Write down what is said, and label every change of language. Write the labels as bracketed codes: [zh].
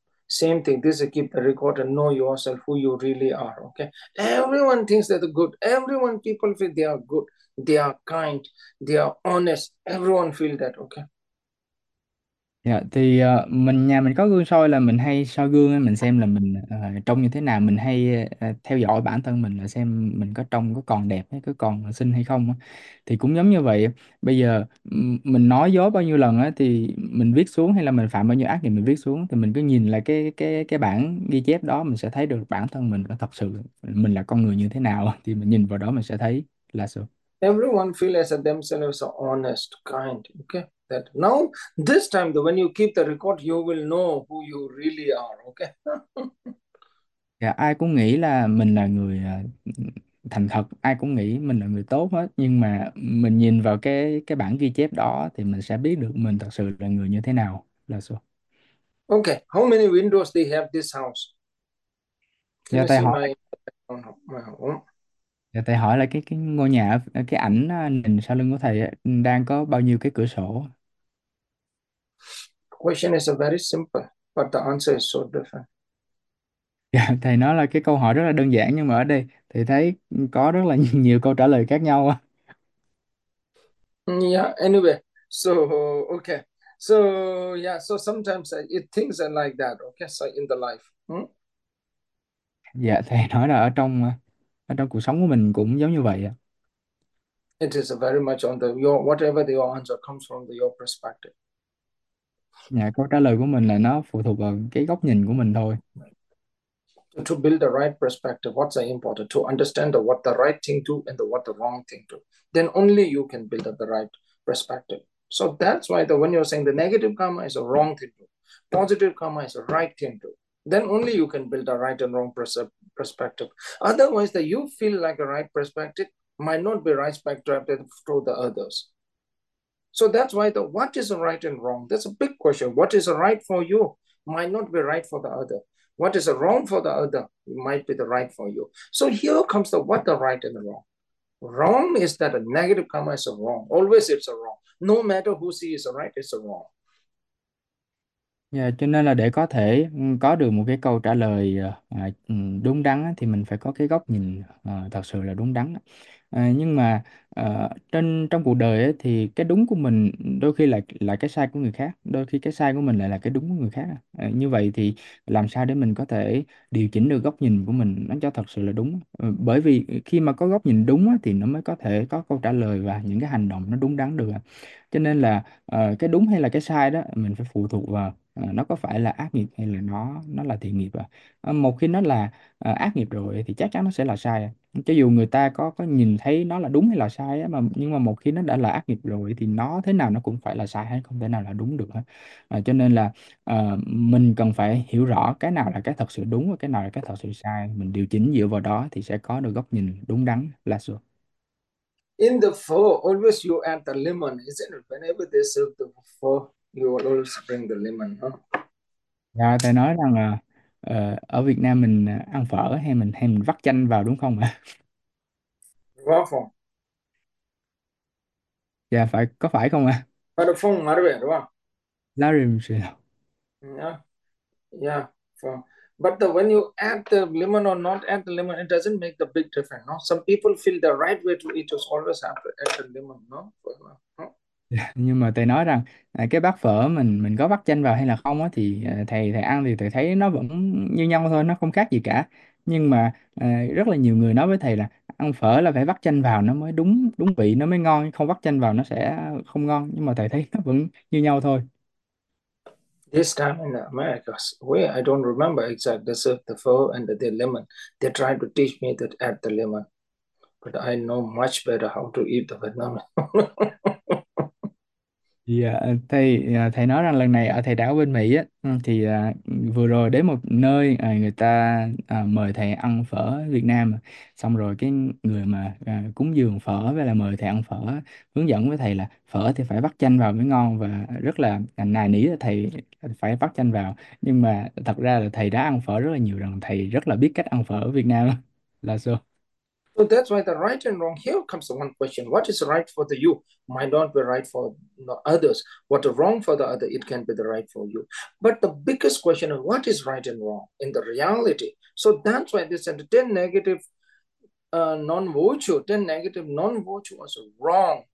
[en] Same thing, this is keep the record and know yourself who you really are. Okay, everyone thinks that they're good. Everyone, people feel they are good, they are kind, they are honest. Everyone feel that. Okay, [vi] Dạ, thì mình nhà mình có gương soi là mình hay soi gương mình xem là mình trông như thế nào, mình hay theo dõi bản thân mình là xem mình có trông có còn đẹp hay có còn xinh hay không. Thì cũng giống như vậy, bây giờ mình nói dối bao nhiêu lần thì mình viết xuống, hay là mình phạm bao nhiêu ác thì mình viết xuống, thì mình cứ nhìn lại cái bản ghi chép đó mình sẽ thấy được bản thân mình có thật sự mình là con người như thế nào, thì mình nhìn vào đó mình sẽ thấy là sự. [en] everyone feel as a themselves are honest, kind. Okay, that now this time though, when you keep the record, you will know who you really are. Okay. [vi] Dạ, ai cũng nghĩ là mình là người thành thật, ai cũng nghĩ mình là người tốt hết, nhưng mà mình nhìn vào cái bản ghi chép đó thì mình sẽ biết được mình thật sự là người như thế nào là sao. [en] Okay, how many windows they have this house? Can [vi] Dạ, [en] you see my home? [vi] thầy hỏi là cái ngôi nhà, cái ảnh nền sau lưng của thầy đang có bao nhiêu cái cửa sổ? [en] Question is a very simple, but the answer is so different. [vi] Dạ, thầy nói là cái câu hỏi rất là đơn giản nhưng mà ở đây thì thấy có rất là nhiều câu trả lời khác nhau. [en] Yeah, anyway, so okay. So yeah, so sometimes it things are like that, okay? So in the life. [vi] Dạ, thầy nói là ở trong cuộc sống của mình cũng giống như vậy ạ. [en] It is very much on the your whatever the answer comes from the, your perspective. [vi] Dạ, câu trả lời của mình là nó phụ thuộc vào cái góc nhìn của mình thôi. [en] To build the right perspective, what's the important? To understand the, what the right thing to and the, what the wrong thing to. Then only you can build up the right perspective. So that's why the when you're saying the negative karma is a wrong thing to, positive karma is a right thing to. Then only you can build a right and wrong perspective. Otherwise, that you feel like a right perspective might not be right perspective to the others. So that's why the what is a right and wrong? That's a big question. What is a right for you might not be right for the other. What is a wrong for the other might be the right for you. So here comes the what the right and the wrong. Wrong is that a negative karma is a wrong. Always it's a wrong. No matter who sees a right, it's a wrong. [vi] Yeah, cho nên là để có thể có được một cái câu trả lời đúng đắn thì mình phải có cái góc nhìn thật sự là đúng đắn. Nhưng mà trên trong cuộc đời ấy, thì cái đúng của mình đôi khi là cái sai của người khác, đôi khi cái sai của mình lại là cái đúng của người khác. Như vậy thì làm sao để mình có thể điều chỉnh được góc nhìn của mình nó cho thật sự là đúng? Bởi vì khi mà có góc nhìn đúng á, thì nó mới có thể có câu trả lời và những cái hành động nó đúng đắn được. Cho nên là cái đúng hay là cái sai đó mình phải phụ thuộc vào nó có phải là ác nghiệp hay là nó là thiện nghiệp à? Một khi nó là ác nghiệp rồi thì chắc chắn nó sẽ là sai. Cho dù người ta có nhìn thấy nó là đúng hay là sai á, nhưng mà một khi nó đã là ác nghiệp rồi thì nó thế nào nó cũng phải là sai hết, không thể nào là đúng được hết. Cho nên là mình cần phải hiểu rõ cái nào là cái thật sự đúng và cái nào là cái thật sự sai, mình điều chỉnh dựa vào đó thì sẽ có được góc nhìn đúng đắn là sự. [en] In the pho, always you add the lemon, isn't it? Whenever they serve the pho, you will always bring the lemon, huh? [vi] Dạ, thầy nói rằng là ở Việt Nam mình ăn phở hay mình vắt chanh vào đúng không ạ? Waffle. Dạ, phải có phải không ạ? Waffle, Lá đúng không? Yeah, pho. [en] But the, when you add the lemon or not add the lemon, it doesn't make the big difference. No, some people feel the right way to eat is always have to add the lemon. No, [vi] Nhưng mà thầy nói rằng cái bát phở mình có vắt chanh vào hay là không á, thì thầy thầy ăn thì thầy thấy nó vẫn như nhau thôi, nó không khác gì cả. Nhưng mà rất là nhiều người nói với thầy là ăn phở là phải vắt chanh vào nó mới đúng đúng vị, nó mới ngon, không vắt chanh vào nó sẽ không ngon. Nhưng mà thầy thấy nó vẫn như nhau thôi. [en] this time in the Americas, where I don't remember exactly, they serve the pho and the lemon. They tried to teach me that add the lemon, but I know much better how to eat the Vietnamese. [vi] Yeah, thầy nói rằng lần này ở thầy đảo bên Mỹ á, thì vừa rồi đến một nơi người ta mời thầy ăn phở Việt Nam, xong rồi cái người mà cúng dường phở với là mời thầy ăn phở hướng dẫn với thầy là phở thì phải vắt chanh vào mới ngon và rất là nài nỉ là thầy phải vắt chanh vào. Nhưng mà thật ra là thầy đã ăn phở rất là nhiều, rằng thầy rất là biết cách ăn phở ở Việt Nam là sao. [en] So that's why the right and wrong, here comes the one question. What is right for the you might not be right for the others. What is wrong for the other, it can be the right for you. But the biggest question is what is right and wrong in the reality? So that's why they said 10 negative non-virtue, 10 negative non-virtue was wrong.